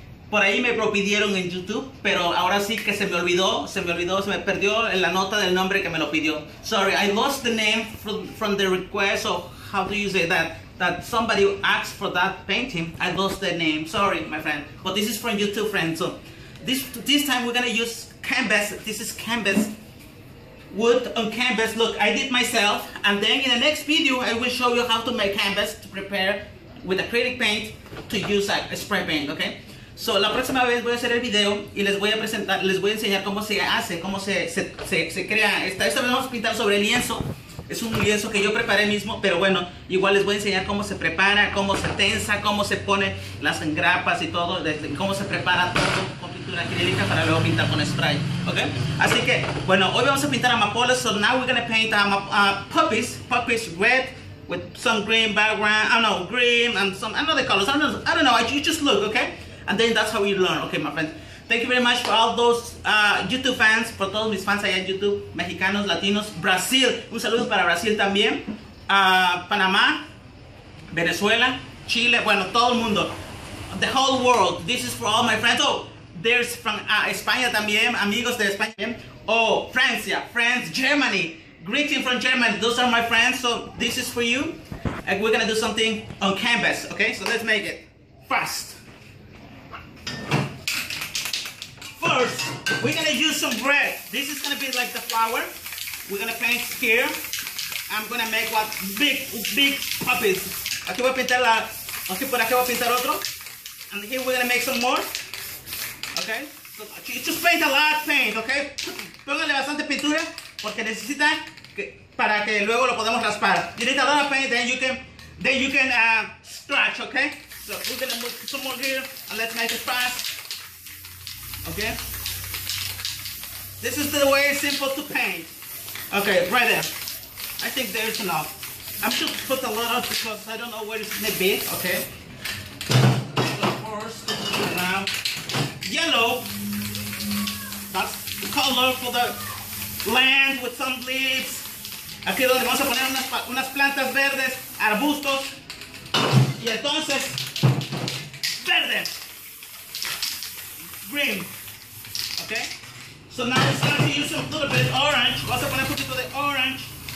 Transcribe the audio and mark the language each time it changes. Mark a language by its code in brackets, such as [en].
[es] Por ahí me lo pidieron en YouTube, pero ahora sí que se me perdió en la nota del nombre que me lo pidió. [en] Sorry, I lost the name from the request of how do you say that? That somebody asked for that painting. I lost the name. Sorry, my friend. But this is from YouTube, friend. So this time we're gonna use canvas. This is canvas. Wood on canvas. Look, I did myself. And then in the next video, I will show you how to make canvas to prepare with acrylic paint to use like a spray paint, okay? [es] So la próxima vez voy a hacer el video y les voy a enseñar cómo se hace, cómo se crea. Esta vez vamos a pintar sobre lienzo. Es un lienzo que yo preparé mismo, pero bueno, igual les voy a enseñar cómo se prepara, cómo se tensa, cómo se pone las engrapas y todo, cómo se prepara todo con pintura acrílica para luego pintar con spray, ¿ok? [en] Así que, bueno, hoy vamos a pintar amapolas, so now we're gonna paint puppies red with some green background, I don't know, green and some, I don't know the colors, I don't know, you just look, ¿ok? And then that's how you learn, ¿ok, my friend? Thank you very much for all those YouTube fans, for todos mis fans allá en YouTube, mexicanos, latinos, Brasil. [es] Un saludo para Brasil también, Panamá, Venezuela, Chile, bueno, todo el mundo. [en] The whole world, this is for all my friends. Oh, there's from España también, amigos de España. Oh, Francia, France, Germany. Greetings from Germany, those are my friends. So this is for you. And we're gonna do something on canvas, okay? So let's make it fast. First, we're gonna use some red. This is gonna be like the flower. We're gonna paint here. I'm gonna make what big puppies. Aquí voy a pintar la. Aquí por aquí voy a pintar otro. And here we're gonna make some more. Okay. So just paint a lot of paint. Okay. [es] Póngale bastante pintura porque necesita que, para que luego lo podamos raspar. [en] You need a lot of paint, then you can scratch. Okay. So we're gonna move some more here and let's make it fast. Okay, this is the way it's simple to paint. Okay, right there. I think there's enough. I'm just put a lot out because I don't know where it's gonna be. Okay. Of course, now yellow. That's the color for the land with some leaves. [es] Aquí donde vamos a poner unas plantas verdes, arbustos, y entonces verde, green. [en] Okay, so now it's time to use a little bit of orange. Vamos a poner un poquito de orange.